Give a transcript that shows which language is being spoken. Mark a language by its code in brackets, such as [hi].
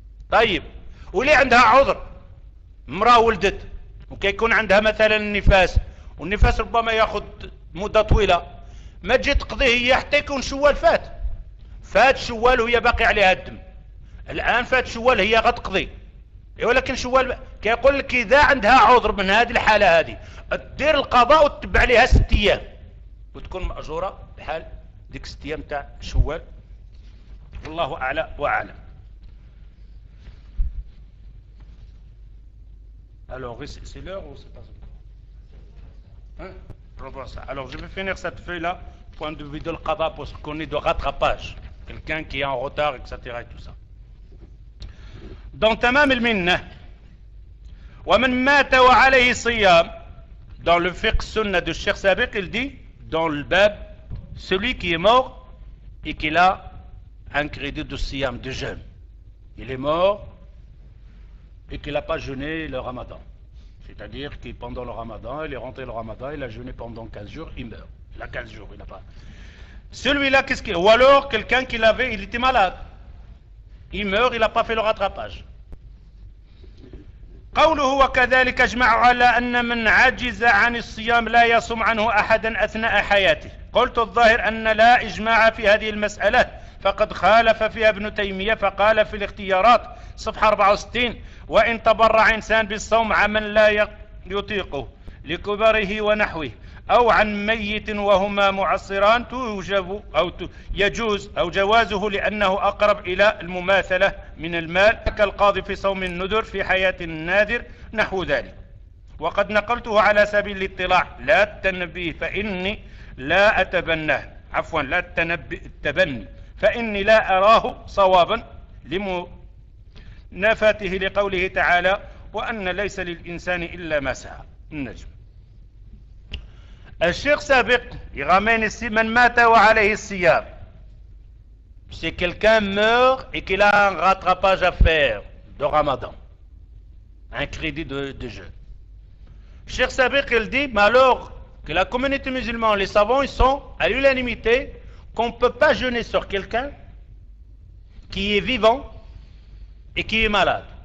[ar] طيب ولي عندها عذر امرأة ولدت وكيكون عندها مثلا النفاس والنفاس ربما ياخذ مدة طويلة ما تجي تقضي هي حتى يكون الشوال فات فات الشوال وهي باقي عليها الدم الآن فات الشوال هي غتقضي ولكن الشوال كيقول لك إذا عندها عذر من هذه الحالة هذه تدير القضاء وتتبع لها 6 أيام وتكون مأجورة بحال ديك 6 أيام تاع الشوال الله أعلى وأعلم. [fr] Alors, c'est l'heure ou c'est pas encore? Revoir ça. Alors, je vais finir cette feuille-là, point de vue de l'Qaba, pour ce qu'on est de rattrapage. Quelqu'un qui est en retard, etc. et tout ça. Dans Tamam al-Minnah, wa man mata wa alayhi siyam, dans le fiqh sunna de Cheikh Sabiq, il dit, dans le bab, celui qui est mort et qu'il a un crédit de siyam, de jeûne. Il est mort et qu'il n'a pas jeûné le ramadan. C'est-à-dire qu'il pendant le ramadan, il est rentré le ramadan, il a jeûné pendant 15 jours, il meurt. Il a 15 jours, il n'a pas. Celui-là, qu'est-ce qu'il... Ou alors, quelqu'un qui l'avait, il était malade. Il meurt, il n'a pas fait le rattrapage. [ar] قوله وكذلك اجمع على ان من عجز عن الصيام لا يصوم عنه احدا اثناء حياته قلت الظاهر ان لا اجماع في هذه المساله فقد خالف فيها ابن تيميه فقال في الاختيارات صفحه 64 وان تبرع انسان بالصوم عمن لا يطيقه لكبره ونحوه او عن ميت وهما معصران توجب او يجوز او جوازه لانه اقرب الى المماثله من المال كالقاضي في صوم الندر في حياه النادر نحو ذلك وقد نقلته على سبيل الاطلاع لا التنبيه فاني لا اتبناه عفوا لا التبني فاني لا اراه صوابا لمنافاته لقوله تعالى وان ليس للانسان الا ما سعى النجم [fr] Cheikh Sabiq, il ramène ici Man mata wa alayhi siyam. Si quelqu'un meurt et qu'il a un rattrapage à faire de Ramadan, un crédit de jeûne. Cheikh Sabiq, il dit, mais alors que la communauté musulmane, les savants, ils sont à l'unanimité qu'on ne peut pas jeûner sur quelqu'un qui est vivant et qui est malade.